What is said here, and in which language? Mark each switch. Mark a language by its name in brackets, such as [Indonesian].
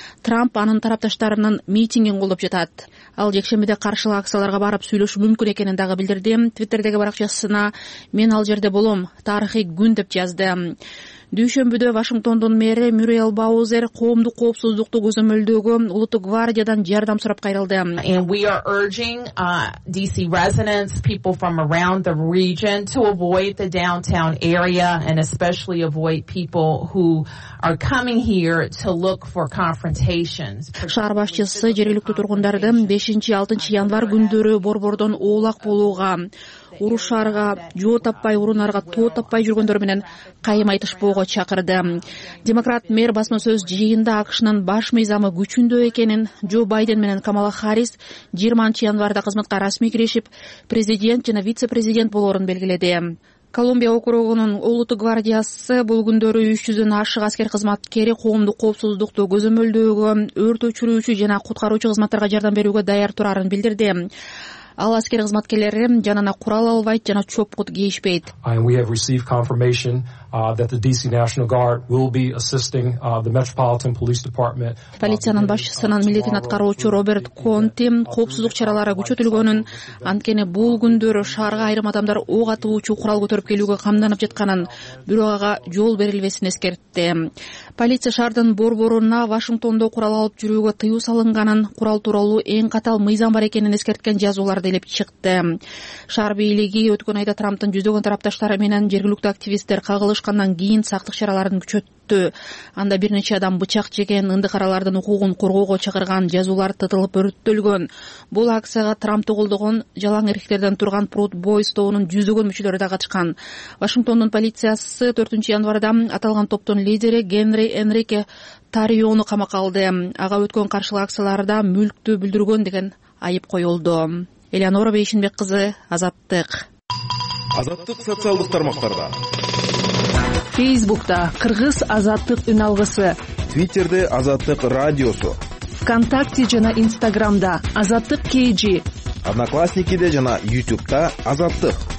[Kyrgyz] Трамп анын тарапташтарынын митингин колдоп жатат. Ал жекшембиде каршылык акцияларга барып сүйлөшү мүмкүн экенин дагы билдирди. Твиттердеги баракчасына «Мен ал жерде болом, тарыхый күн» деп жазды. Дүйшөмбүдө Вашингтондун мэри Мюррел Баузер коомдук коопсуздукту көзөмөлдөөгө улуттук гвардиядан жардам сурап кайрылды. [English] We are urging DC residents, people from around the region to avoid the downtown area and especially avoid people who are coming here to look for confrontations. [Kyrgyz] Шаар башчысы жергиликтүү тургундарды 5-6 январ күндөрү борбордон оолак болууга, урушарга, жоо таппай урунарга тоо таппай жүргөндөр менен кайым айтышпоого чакырды. Демократ мэр басма сөз жыйында АКШнын баш мыйзамы күчүндө экенин, Джо Байден менен Камала Харрис 20 январда кызматка расмий киришип, президент жана вице-президент болорун белгиледи. Колумбия округунун улуттук гвардиясы бул күндөрү 300 ашык аскер кызматкери коомдук коопсуздукту көзөмөлдөөгө, өрт өчүрүүчү жана куткаруучу кызматтарга жардам берүүгө даяр турарын билдирди. Ал аскер кызматкерлери жанына курал албайт жана чопкут кийишпейт. [English] We have received confirmation that the DC National Guard will be assisting the Metropolitan Police Department. [Kyrgyz] Полициянын башчысынын милетин аткаруучу Роберт Конти коопсуздук чаралары күчөтүлгөнүн, анткени бул күндөрү шаарга айрым адамдар ок атуучу курал көтөрүп келүүгө камданып жатканын, бирок ага жол берилбесин эскертти. Полиция шаардын борборуна Вашингтондо курал алып жүрүүгө тыюу салынганын, курал тууралуу эң катаал мыйзам бар экенин эскерткен жазууларды элеп чыкты. Шаар бийлиги өткөн айда Трамптын жүздөгөн тарапташтары менен жергиликтүү активисттер кагылышкандан кийин сактык чараларын күчөттү. Анда бир нече адам бычак жеген, ынды каралардын укугун коргоого чакырган жазуулар тытылып өрттөлгөн. Бул акцияга Трампты колдогон жалаң эркектерден турган Proud Boys тобунун жүздөгөн мүчөлөрү да катышкан. Вашингтондун полициясы 4 январда аталган топтун лидери Генри Энрике Тариону камакка алды. Ага өткөн каршылык акцияларда мүлктү бүлдүргөн деген айып коюлду. Элеонора Бейшенбек кызы, Азаттык. Азаттык социалдык тармактарда. Фейсбукта Кыргыз Азаттык үн алгысы, Твиттерде Азаттык радиосу, ВКонтакте жана Инстаграмда Азаттык KG, Одноклассникиде жана Ютубта Азаттык.